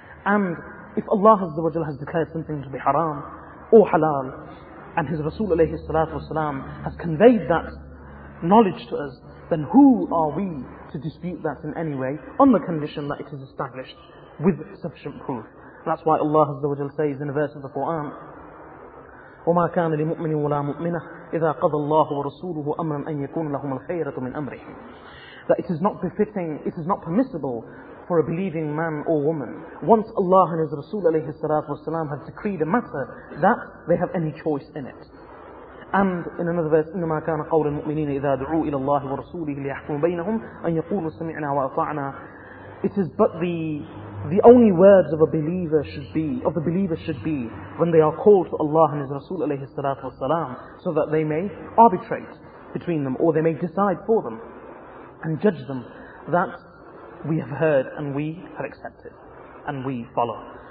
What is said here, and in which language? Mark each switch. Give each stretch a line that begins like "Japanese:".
English: And if Allah azza wa jalla has declared something to be haram or halal, and his Rasul alayhi salatu wasalam has conveyed that knowledge to us, then who are we to dispute that in any way, on the condition that it is established with sufficient proof? That's why Allah azza wa jalla says in a verse of the Quran,
Arabic: وَمَا كَانَ لِمُؤْمِنٍ وَلَا مُؤْمِنَةٍ إِذَا قَضَى اللَّهُ وَرَسُولُهُ أَمْرًا أَن يَكُونَ لَهُمَ الْخَيْرَةُ مِنْ أَمْرِهِمْ.
English: That it is not befitting, it is not permissible for a believing man or woman, once Allah and His Rasul alayhi salatu wasalam have decreed a matter, that they have any choice in it. And in another verse,
Arabic: إِنَّمَا كَانَ قَوْلَ الْمُؤْمِنِينَ إِذَا دُعُوا إِلَى اللَّهِ وَرَسُولِهِ لِيَحْكُمُ بَيْنَهُمْ أَن يَقُولُوا سَمِعْنَا وَأَطَعْنَا.
English: It is but the only words of a believer should be, of the believer should be, when they are called to Allah and His Rasul alayhi salatu wasalam, so that they may arbitrate between them, or they may decide for them and judge them, that we have heard and we have accepted and we follow.